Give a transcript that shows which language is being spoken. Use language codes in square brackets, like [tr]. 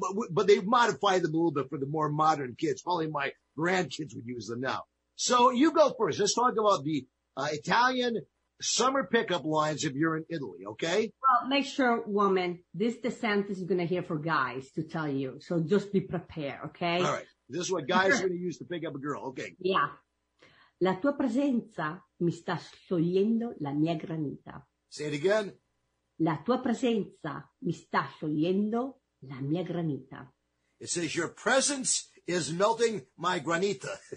[en] But they modified them a little bit for the more modern kids. Probably my grandkids would use them now. So you go first. Let's talk about the Italian summer pickup lines if you're in Italy, okay? Well, make sure, woman, this descent is going to hear for guys to tell you. So just be prepared, okay? All right. This is what guys are going to use to pick up a girl. Okay. Yeah. [it] La tua presenza mi sta sciogliendo la mia granita. [en] Say it again. [it] La tua presenza mi sta sciogliendo la mia granita. [en] It says your presence is melting my granita.